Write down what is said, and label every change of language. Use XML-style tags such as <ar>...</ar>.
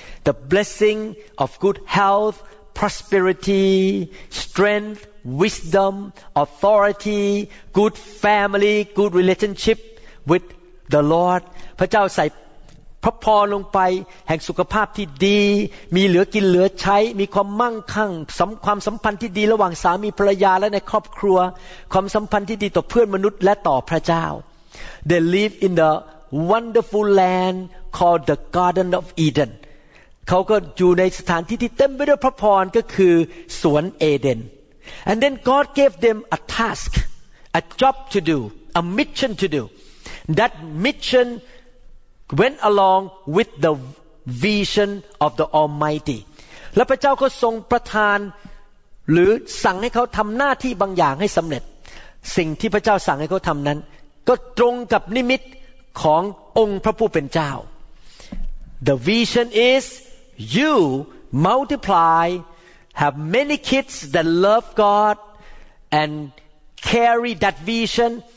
<en>The blessing of good health, prosperity, strength, wisdom, authority, good family, good relationship with the Lord</en> <th>พระเจ้าใส่พระพรลงไปแห่งสุขภาพที่ดีมีเหลือกินเหลือใช้มีความมั่งคั่งความสัมพันธ์ที่ดีระหว่างสามีภรรยาและในครอบครัวความสัมพันธ์ที่ดีต่อเพื่อนมนุษย์และต่อพระเจ้า</th> <en>They live in theWonderful land called the Garden of Eden.</en> <th>เขาก็อยู่ในสถานที่ที่เต็มไปด้วยพระพรก็คือสวนเอเดน</th> <en>And then God gave them a task, a job to do, a mission to do. That mission went along with the vision of the Almighty.</en> <th>และพระเจ้าก็ทรงประทานหรือสั่งให้เขาทำหน้าที่บางอย่างให้สำเร็จสิ่งที่พระเจ้าสั่งให้เขาทำนั้นก็ตรงกับนิมิตขององค์พระผู้เป็นเจ้า</th> <en>The vision is you multiply have many kids that love God and carry that vision</en>